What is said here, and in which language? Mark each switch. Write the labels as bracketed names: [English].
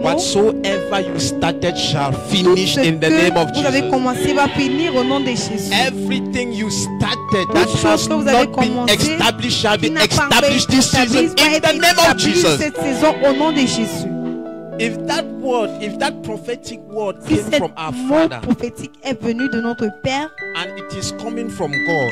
[English] whatsoever you started shall finish in the name of Jesus. [French] Vous avez commencé va finir au nom de Jésus. [English] Everything you started that has not been established shall be established this season in the name of Jesus. [French] Cette saison au nom de Jésus. [English] If that word, if that prophetic word came from our Father, [French] prophétique est venu de notre Père, [English] and it is coming from God,